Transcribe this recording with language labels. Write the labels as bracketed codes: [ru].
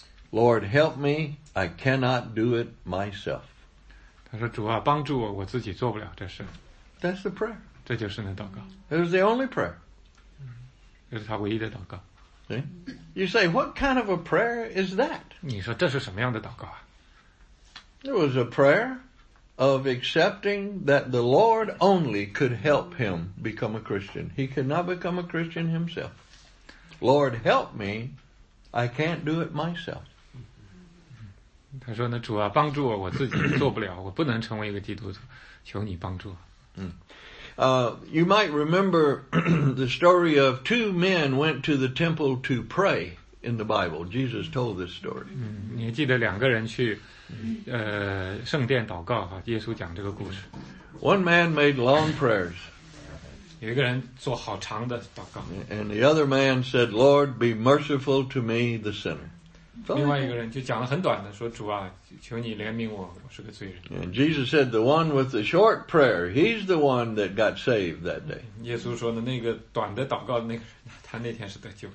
[en] Lord, help me, I cannot do it myself. [zh] 他说主啊帮助我我自己做不了这事。 [en] That's the prayer. [zh] 这就是那祷告。 [en] It was the only prayer. [zh] 这是他唯一的祷告。 [en] You say, what kind of a prayer is that? [zh] 你说这是什么样的祷告啊? [en] It was a prayer of accepting that the Lord only could help him become a Christian. He could not become a Christian himself. Lord, help me. I can't do it myself. [zh] 他说呢,主啊,帮助我,我自己做不了,我不能成为一个基督徒,求你帮助我。 [en] You might remember the story of two men went to the temple to pray in the Bible. Jesus told this story. [zh] 你记得两个人去圣殿祷告哈，耶稣讲这个故事。 [en] One man made long prayers. [zh] 有一个人做好长的祷告。 [en] And the other man said, Lord, be merciful to me, the sinner. [zh] 另外一个人就讲了很短的说主啊求你怜悯我我是个罪人。 [en] And Jesus said the one with the short prayer, he's the one that got saved that day. [zh] 耶稣说的那个短的祷告的那个他那天是得救。